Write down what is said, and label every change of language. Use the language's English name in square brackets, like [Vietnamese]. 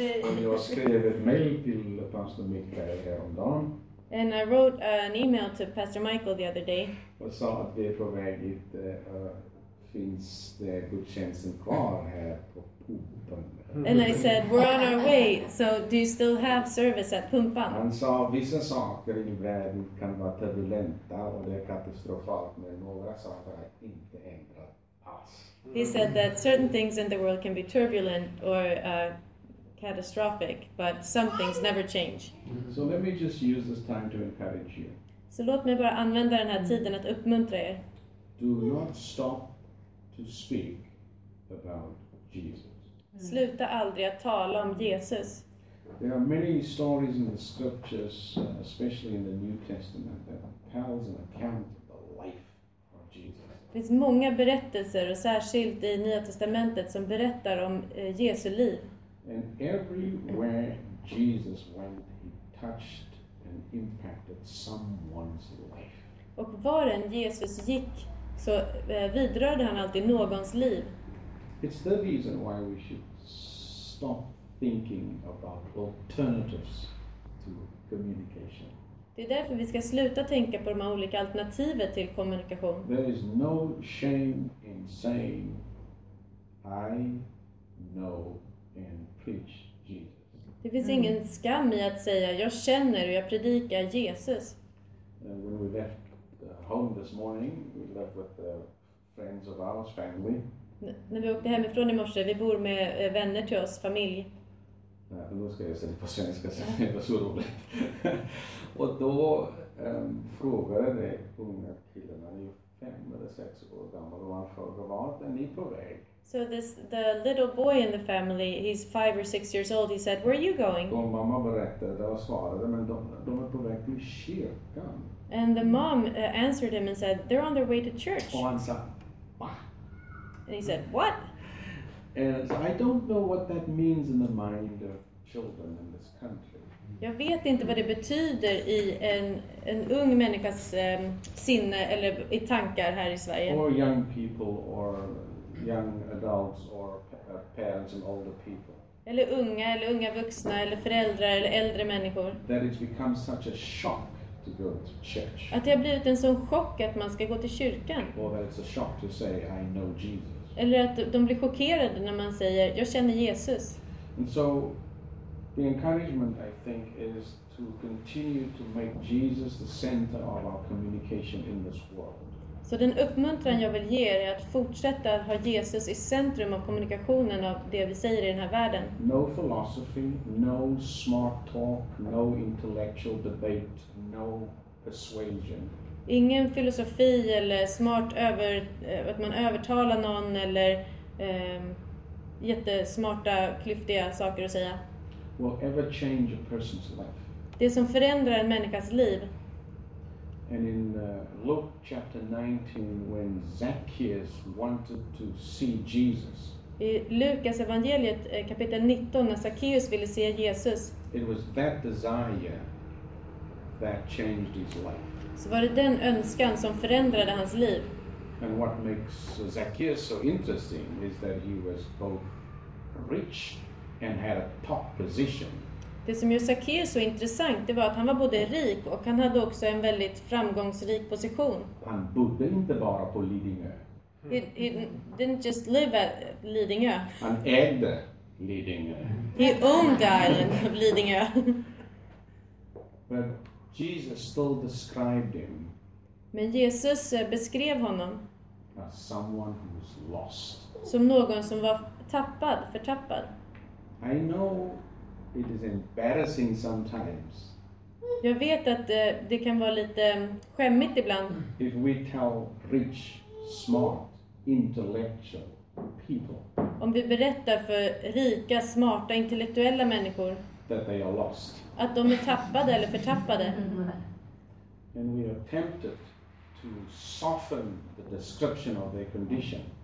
[Swedish] Och jag skrev ett mail till pastor Mikael häromdagen. [English] And I wrote an email to Pastor Michael the other day. [Swedish] Och sa att vi är på väg hit, finns det gudstjänsten kvar här på Pumpan? [English] And I said, we're on our way, so do you still have service at Pumpan? [Swedish] Han sa, vissa saker i världen kan vara turbulenta och det är katastrofalt, men några saker har inte ändrat alls. [English] He said that certain things in the world can be turbulent or catastrophic, but some things never change. So let me just use this time to encourage you. [Swedish] Så låt mig bara använda den här tiden att uppmuntra er. [English] Do not stop to speak about Jesus. [Swedish] Sluta aldrig att tala om Jesus. [English] There are many stories in the scriptures, especially in the New Testament, that tells an account of the life of Jesus. [Swedish] Det finns många berättelser, och särskilt i Nya Testamentet, som berättar om Jesu liv. [English] And everywhere Jesus went, he touched and impacted someone's life. [Swedish] Och var än Jesus gick, så vidrörde han alltid någons liv. [English] It's the reason why we should stop thinking about alternatives to communication. [Swedish] Det är därför vi ska sluta tänka på de här olika alternativen till kommunikation. [English] There is no shame in saying I know and preach Jesus. [Swedish] Det finns ingen skam i att säga jag känner och jag predikar Jesus. [English] When we left home this morning, we left with friends of ours, family. [Swedish] När vi åkte hemifrån i morse, vi bor med vänner till oss, familj. Nu ska jag säga det på svenska, så det var så roligt. Och då frågade de unga killarna, de är 5 eller 6 år gammal, och han frågade, vart är ni på väg? [English] So this, the little boy in the family, he's 5 or 6 years old, he said, where are you going? [Swedish] Och mamma berättade och svarade, men de är på väg till kyrkan. [English] And the mom answered him and said, they're on their way to church. [Swedish] Och han sa, [English] and he said, what? And so I don't know what that means in the mind of children in this country. [Swedish] Jag vet inte vad det betyder i en ung människas sinne eller i tankar här i Sverige. [English] Or young people or young adults or parents and older people. [Swedish] Eller unga vuxna eller föräldrar eller äldre människor. [English] That it's become such a shock. To go to church. [Swedish] Att det har blivit en sån chock att man ska gå till kyrkan. [English] Or that it's a shock to say I know Jesus. [Swedish] Eller att de blir chockerade när man säger jag känner Jesus. [English] And so the encouragement I think is to continue to make Jesus the center of our communication in this world. [Swedish] Så den uppmuntran jag vill ge er är att fortsätta ha Jesus i centrum av kommunikationen av det vi säger i den här världen. [English] No philosophy, no smart talk, no intellectual debate, no persuasion. [Swedish] Ingen filosofi eller smart över att man övertalar någon eller jättesmarta klyftiga saker att säga. [English] Will ever change a person's life. [Swedish] Det som förändrar en människas liv. [English] And in Luke chapter 19, when Zacchaeus wanted to see Jesus. [Swedish] I Lukas evangeliet kapitel 19, när Zacchaeus ville se Jesus. [English] It was that desire that changed his life. [Swedish] Så var det den önskan som förändrade hans liv. [English] And what makes Zacchaeus so interesting is that he was both rich and had a top position. [Swedish] Det som gör Zacchaeus så intressant, det var att han var både rik och han hade också en väldigt framgångsrik position. Han bodde inte bara på Lidingö. [English] He didn't just live at Lidingö. [Swedish] Han ägde Lidingö. [English] He owned the island of Lidingö. But Jesus still described him. [Swedish] Men Jesus beskrev honom. [English] As someone who was lost. [Swedish] Som någon som var tappad, förtappad. [English] I know. It is embarrassing sometimes. [Swedish] Jag vet att det kan vara lite skämmigt ibland. [English] If we tell rich, smart, intellectual people. [Swedish] Om vi berättar för rika, smarta, intellektuella människor. [English] That they are lost. [Swedish] Att de är tappade eller förtappade. [English] And we are tempted to soften the description of their condition.